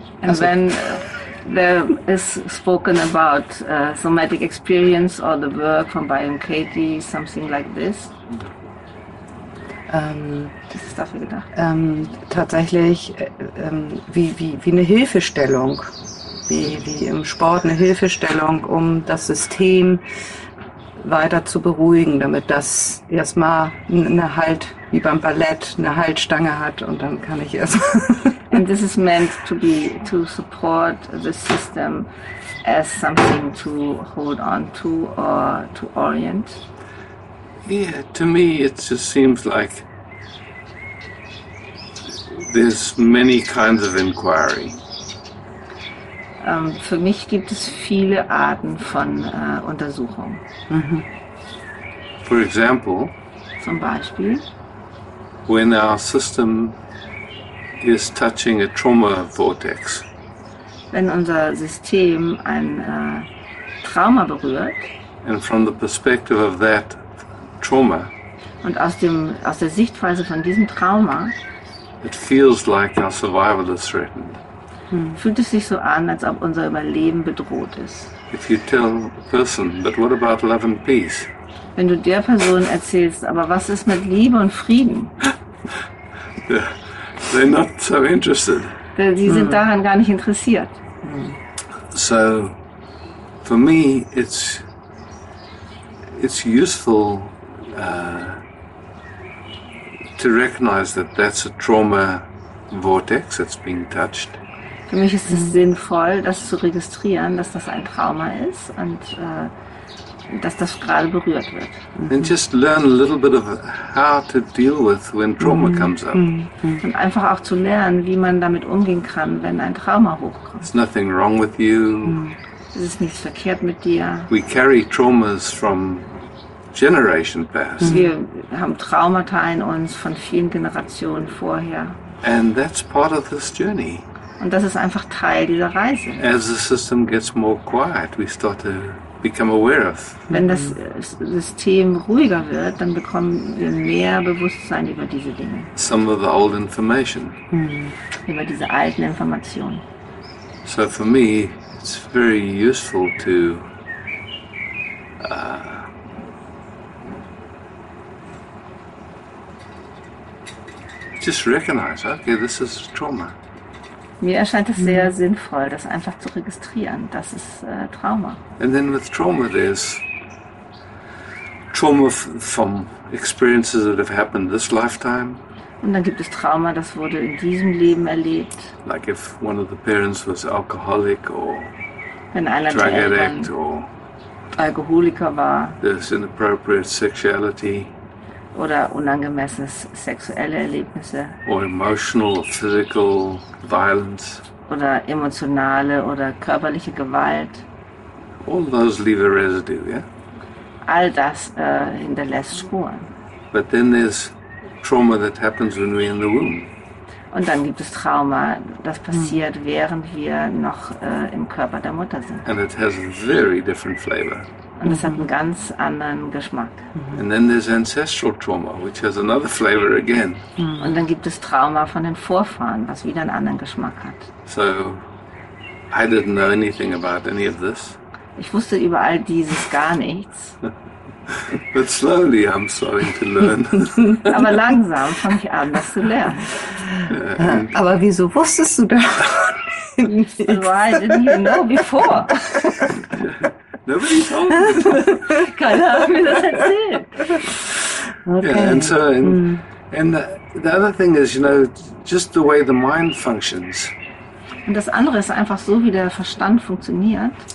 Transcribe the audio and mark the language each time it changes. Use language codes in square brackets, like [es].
[en] And when there is spoken about Somatic Experience or The Work von Byron Katie, something like this. [de] Das ist dafür gedacht. Tatsächlich wie eine Hilfestellung, wie im Sport eine Hilfestellung, um das System weiter zu beruhigen, damit das erstmal eine Halt, wie beim Ballett, eine Haltstange hat und dann kann ich erst. [en] And this is meant to be to support the system as something to hold on to or to orient. Yeah, to me it just seems like there's many kinds of inquiry. [de] Für mich gibt es viele Arten von Untersuchung. [en] For example, [de] zum Beispiel, [en] when our system is touching a trauma vortex. [de] Wenn unser System ein Trauma berührt. [en] And from the perspective of that trauma. [de] Und aus der Sichtweise von diesem Trauma. [en] It feels like our survival is threatened. [de] Fühlt es sich so an, als ob unser Überleben bedroht ist. [en] If you tell a person, but what about love and peace? [de] Wenn du der Person erzählst, aber was ist mit Liebe und Frieden? [en] They're not so interested. [de] Die sind daran gar nicht interessiert. [en] So, for me, it's useful to recognize that that's a trauma vortex that's being touched. [de] Für mich ist es sinnvoll, das zu registrieren, dass das ein Trauma ist und dass das gerade berührt wird. [en] And just learn a little bit of how to deal with when trauma comes up. [de] Und einfach auch zu lernen, wie man damit umgehen kann, wenn ein Trauma hochkommt. [en] There's nothing wrong with you. [de] Es ist nichts verkehrt mit dir. [en] We carry traumas from generation past. [de] Wir haben Traumata in uns von vielen Generationen vorher. [en] And that's part of this journey. [de] Und das ist einfach Teil dieser Reise. [en] As the system gets more quiet, we start to become aware of. [de] Wenn das System ruhiger wird, dann bekommen wir mehr Bewusstsein über diese Dinge. [en] Some of the old information. [de] Über diese alten Informationen. [en] So for me, it's very useful to just recognize, okay, this is trauma. [de] Mir erscheint es sehr sinnvoll, das einfach zu registrieren. Das ist Trauma. [en] And then with trauma, there's trauma from experiences that have happened this lifetime. [de] Und dann gibt es Trauma, das wurde in diesem Leben erlebt. [en] Like if one of the parents was alcoholic or [de] wenn einer [en] drug addict or [de] Alkoholiker war. [en] There's inappropriate sexuality. [de] Oder unangemessene sexuelle Erlebnisse. [en] Or emotional or physical violence. [de] Oder emotionale oder körperliche Gewalt. [en] All those leave a residue, yeah? [de] All das hinterlässt Spuren. [en] But then there's trauma that happens when we're in the womb. [de] Und dann gibt es Trauma, das passiert, während wir noch im Körper der Mutter sind. [en] And it has a very different flavor. [de] Und es hat einen ganz anderen Geschmack. [en] And then there's ancestral trauma, which has another flavor again. [de] Und dann gibt es Trauma von den Vorfahren, was wieder einen anderen Geschmack hat. [en] So, I didn't know anything about any of this. [de] Ich wusste über all dieses gar nichts. [en] But slowly I'm starting to learn. [de] Aber langsam fange ich an, das zu lernen. Aber wieso wusstest du das? [en] Why didn't you know before? Nobody told me. [de] Keiner hat mir das erzählt. [en] Okay. Yeah, and so and the other thing is, you know, just the way the mind functions. [de] Und das andere ist einfach so, wie der Verstand funktioniert.